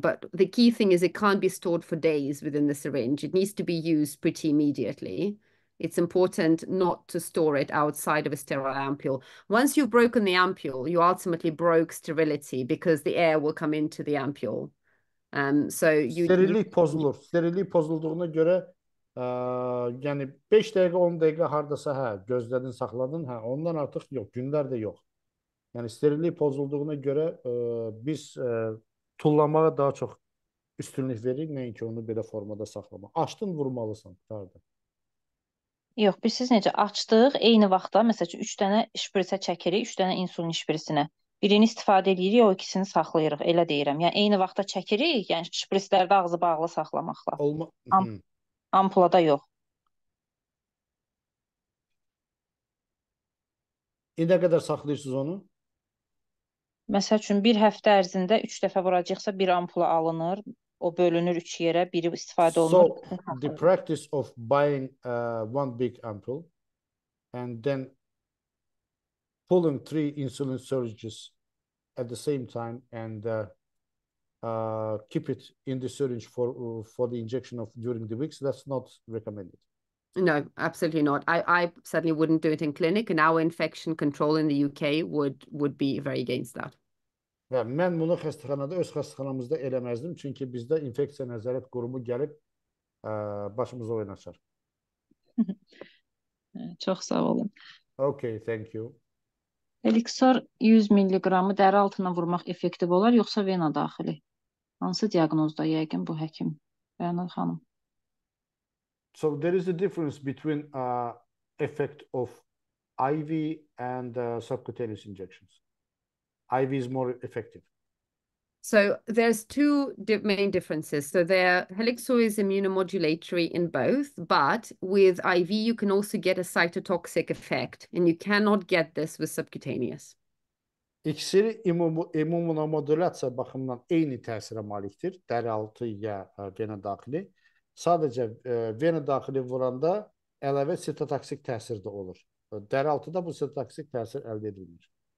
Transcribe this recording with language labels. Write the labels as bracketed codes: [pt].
[en] But the key thing is it can't be stored for days within the syringe. It needs to be used pretty immediately. It's important not to store it outside of a sterile ampule. Once you've broken the ampule, you ultimately broke sterility because the air will come into the ampule. So you [az] sterillik pozulur. Sterillik pozulduğuna görə yəni 5 dəqiqə, 10 dəqiqə hardasa hə, gözlədin, saxladın, hə, ondan artıq yox, günlər də yox. Yəni sterillik pozulduğuna görə biz tullanmağa daha çox üstünlük veririk, nəinki onu belə formada saxlamaq. Açdın vurmalısan, qardaş. Yox, biz siz necə açdıq eyni vaxtda, məsəl üçün 3 dənə şprisə çəkirik, 3 dənə insulin şprisinə. Birini istifadə edirik, o ikisini saxlayırıq, elə deyirəm. Yəni eyni vaxtda çəkirik, yəni şprislərdə ağzı bağlı saxlamaqla. Olma. Ampulada yox. Nə qədər saxlayırsınız onu? Məsəl üçün bir həftə ərzində 3 dəfə vuracaqsa bir ampula alınır. O bölünür 3 yerə, biri istifadə [en] so, [az] olunur. [en] The practice of buying one big ampule and then pulling three insulin syringes at the same time and keep it in the syringe for the injection of during the weeks, that's not recommended. No, absolutely not. I certainly wouldn't do it in clinic and our infection control in the UK would be very against that. [az] Və mən bunu xəstəxanada, öz xəstəxanamızda eləməzdim. Çünki bizdə infeksiya nəzarət qurumu gəlib, başımızı oynaşar. Çox sağ olun. [en] Okay, thank you. [az] Eliksor 100 miliqramı dəri altına vurmaq effektiv olar, yoxsa vena daxili? Hansı diaqnozda yəqin bu həkim? Bəyənar xanım. [en] So there is a difference between effect of IV and subcutaneous injections. IV is more effective. So there's two main differences. So there, Helixor is immunomodulatory in both, but with IV, you can also get a cytotoxic effect, and you cannot get this with subcutaneous. [az] İkisi immunomodulasiya baxımından eyni təsirə malikdir, dəri altı ya vena daxili. Sadəcə vena daxili vuranda əlavə sitotoksik təsir də olur. Dəri altıda bu sitotoksik təsir əldə edilmir.